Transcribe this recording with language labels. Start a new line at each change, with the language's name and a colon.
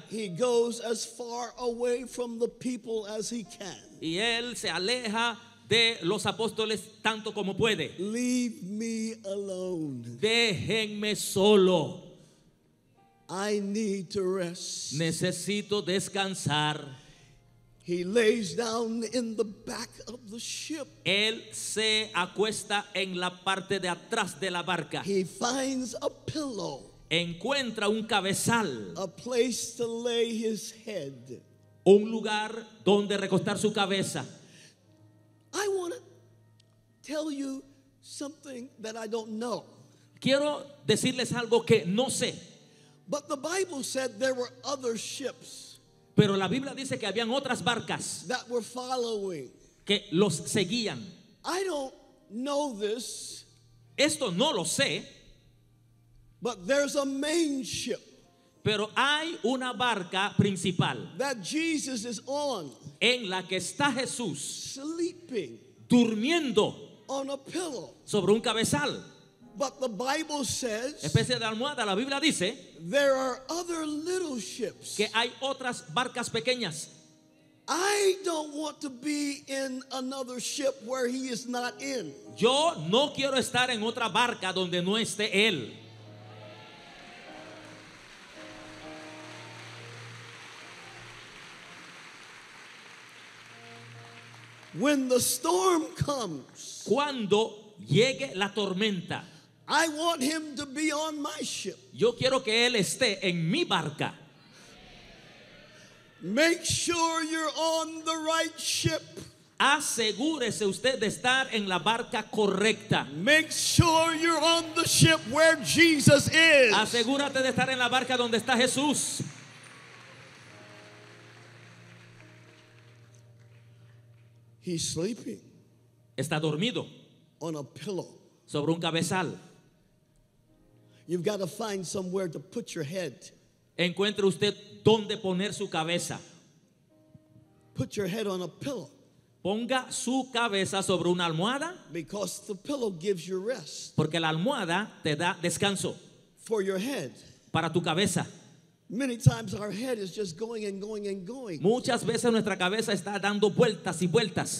English: He goes as far away from the people as he can.
Spanish: Y él se aleja de los apóstoles tanto como puede.
English: Leave me alone.
Spanish: Déjenme solo.
English: I need to rest.
Spanish: Necesito descansar.
English: He lays down in the back of the ship.
Spanish: Él se acuesta en la parte de atrás de la barca.
English: He finds a pillow.
Spanish: Encuentra un cabezal.
English: A place to lay his head.
Spanish: Un lugar donde recostar su cabeza.
English: I want to tell you something that I don't know.
Spanish: Quiero decirles algo que no sé.
English: But the Bible said there were other ships.
Spanish: Pero la Biblia dice que habían otras barcas.
English: That were following.
Spanish: Que los seguían.
English: I don't know this.
Spanish: Esto no lo sé.
English: But there's a main ship.
Spanish: Pero hay una barca principal.
English: That Jesus is on.
Spanish: En la que está Jesús.
English: Sleeping.
Spanish: Durmiendo.
English: On a pillow.
Spanish: Sobre un cabezal.
English: But the Bible says.
Spanish: Especie de almohada, la Biblia dice.
English: There are other little ships.
Spanish: Que hay otras barcas pequeñas.
English: I don't want to be in another ship where he is not in.
Spanish: Yo no quiero estar en otra barca donde no esté él.
English: When the storm comes.
Spanish: Cuando llegue la tormenta.
English: I want him to be on my ship.
Spanish: Yo quiero que él esté en mi barca.
English: Make sure you're on the right ship.
Spanish: Asegúrese usted de estar en la barca correcta.
English: Make sure you're on the ship where Jesus is.
Spanish: Asegúrate de estar en la barca donde está Jesús.
English: He's sleeping.
Spanish: Está dormido.
English: On a pillow.
Spanish: Sobre un cabezal.
English: You've got to find somewhere to put your head.
Spanish: Encuentre usted dónde poner su cabeza.
English: Put your head on a pillow.
Spanish: Ponga su cabeza sobre una almohada.
English: Because the pillow gives you rest.
Spanish: Porque la almohada te da descanso.
English: For your head.
Spanish: Para tu cabeza.
English: Many times our head is just going and going and going.
Spanish: Muchas veces nuestra cabeza está dando vueltas y vueltas.